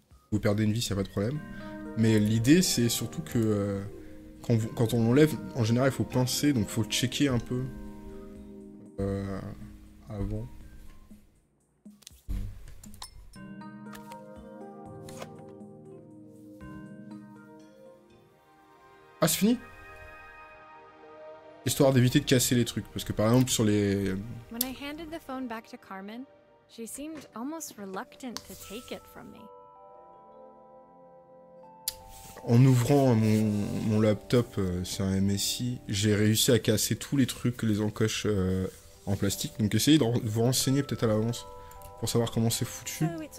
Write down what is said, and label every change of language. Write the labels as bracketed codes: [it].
[fr] Vous perdez une vis, il n'y a pas de problème. Mais l'idée, c'est surtout que quand on l'enlève, en général, il faut pincer, donc il faut checker un peu avant. Ah, c'est fini? Histoire d'éviter de casser les trucs, parce que par exemple sur les... [en] When I handed the phone back to Carmen, she seemed almost reluctant to take it from me. [fr] En ouvrant mon laptop sur un MSI, j'ai réussi à casser tous les trucs, les encoches en plastique. Donc essayez de vous renseigner peut-être à l'avance pour savoir comment c'est foutu.